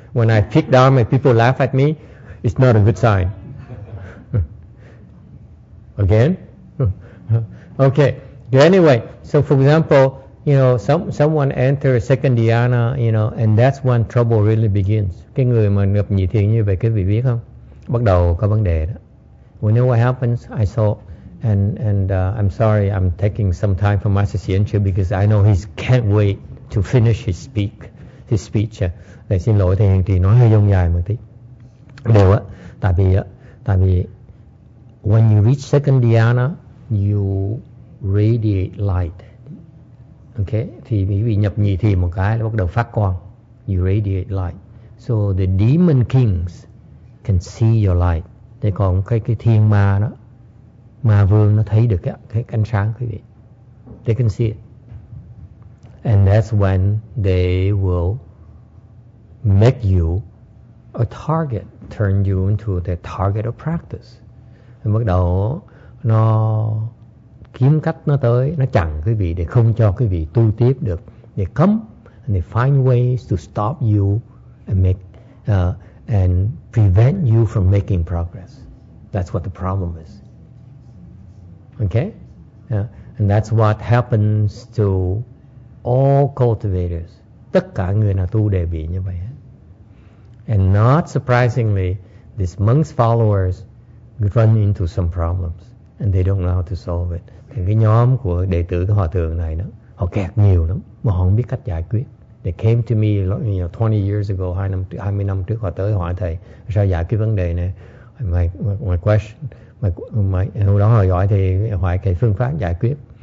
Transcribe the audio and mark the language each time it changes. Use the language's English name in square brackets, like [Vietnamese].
[English] When I pick dharma and people laugh at me, it's not a good sign. Again? Okay. But anyway, so for example, you know, someone enters second dhyana, you know, and that's when trouble really begins. [Vietnamese] Cái người mà nhập nhị thiền như vậy, quý vị biết không? Bắt đầu có vấn đề đó. [English] We know what happens, I saw, and I'm sorry, I'm taking some time from Master Xianqiu because I know he can't wait to finish his speech. [Vietnamese] Thầy xin lỗi, thầy hiện trì nói hơi dông dài một tí. Điều á, tại vì [English] when you reach second dhyana, you radiate light. [Vietnamese] Okay, thì quý vị nhập nhị thiền một cái là bắt đầu phát quang. [English] You radiate light. So the demon kings can see your light. [Vietnamese] Thì còn cái thiên ma đó, ma vương nó thấy được cái ánh sáng quý vị. [English] They can see it. And that's when they will make you a target, turn you into the target of practice. [Vietnamese] Thì bắt đầu nó kiếm cách nó tới, nó chặn quý vị để không cho quý vị tu tiếp được. [English] They come and they find ways to stop you and make and prevent you from making progress. That's what the problem is. Okay? Yeah. And that's what happens to all cultivators. [Vietnamese] Tất cả người nào tu đều bị như vậy. [English] And not surprisingly, these monks' followers run into some problems and they don't know how to solve it. [Vietnamese] Thì cái nhóm của đệ tử của hòa thượng này đó, họ kẹt nhiều lắm mà họ không biết cách giải quyết. [English] They came to me, you know, 20 years ago, [Vietnamese] 20 năm trước họ tới hỏi thầy sao giải quyết vấn đề này. [English] My question, [Vietnamese] hồi đó họ hỏi thầy hỏi cái phương pháp giải quyết.